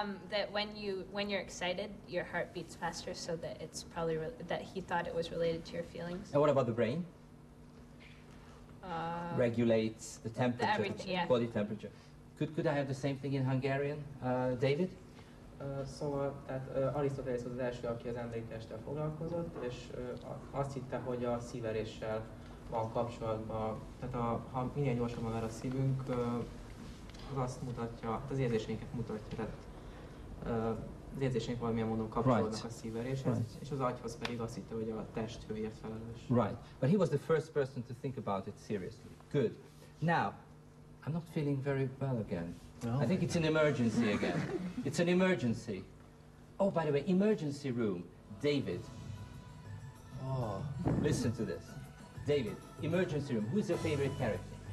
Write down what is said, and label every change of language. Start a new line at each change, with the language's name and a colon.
English: That when you're excited, your heart beats faster, so that it's probably that he thought it was related to your feelings. And what about the brain? Regulates the temperature, the body temperature. Could I have the same thing in Hungarian, David?
Hungarian: Szóval, tehát Arisztotelész az első, aki az emberi testtel foglalkozott, és azt hitte, hogy a szíveréssel van kapcsolatban, tehát ha minél gyorsabban ver a szívünk, az azt mutatja, az érzéseinket mutatja, tehát az érzéseink valamilyen módon kapcsolódnak a szíveréshez, és az agyhoz pedig azt hitte, hogy a test hőért felelős.
English: Right, but he was the first person to think about it seriously. Good. Now, I'm not feeling very well again. No, I think it's an emergency again. It's an emergency. Oh, by the way, emergency room. David. Oh. Listen to this. David, emergency room. Who's your favorite character?